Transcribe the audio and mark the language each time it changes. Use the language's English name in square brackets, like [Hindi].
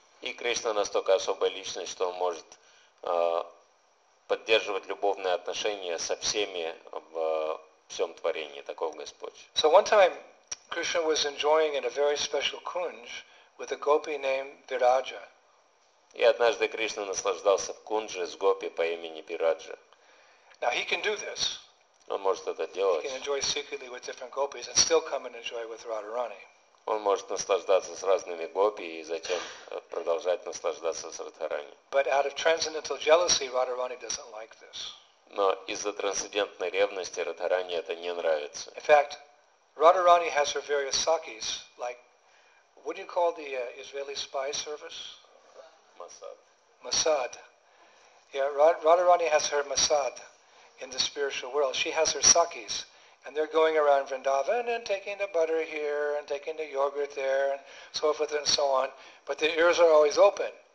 [Russian] И Кришна настолько особая личность, что он может поддерживать любовные отношения со всеми в всем творении, такого Господь. [English] So one time Krishna was enjoying in a very special kunj with a gopi named Viraja. [Russian] И однажды Кришна наслаждался в кунже с гопи по имени Вираджа. [English] Now he can do this. [Russian] Он может это делать. [English] He can enjoy secretly with different gopis and still come and enjoy with Radharani. [Russian] Он может наслаждаться с разными гопи и затем продолжать наслаждаться с Радхарани. [English] But out of transcendental jealousy, Radharani doesn't like this. [Russian] Но из-за трансцендентной ревности Радхарани это не нравится. [English] In fact, Radharani has her various sakis, like, what do you call the Israeli spy service? Masad. Masad. Yeah, Radharani has her masad in the spiritual world. She has her sakis, and they're going around Vrindavan and taking the butter here and taking the yogurt there and so forth and so on, but their ears are always open.